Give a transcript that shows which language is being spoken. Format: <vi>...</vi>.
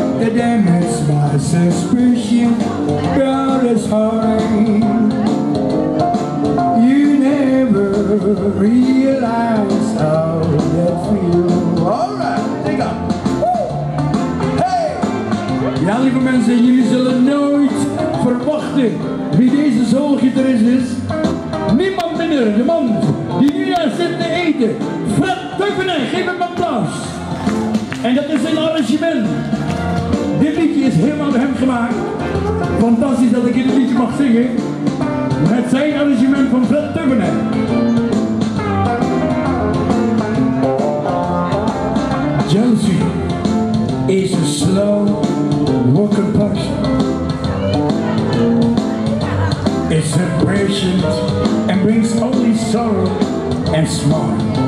<en>Damage my suspicion about his heart. You never realize how that feels. All right, take off. Hey!</en> <nl>Ja, lieve mensen, jullie zullen nooit verwachten wie deze soulgitarist is. Niemand minder, de man die nu daar zit te eten. Freddy Theuvenet, geef hem een applaus. En dat is een arrangement. Dit liedje is helemaal door hem gemaakt. Fantastisch dat ik dit liedje mag zingen. Met zijn arrangement van Fred Theuvenet.</nl> <en>Jealousy is a slow walker passion. It's impatient and brings only sorrow and smart.</en>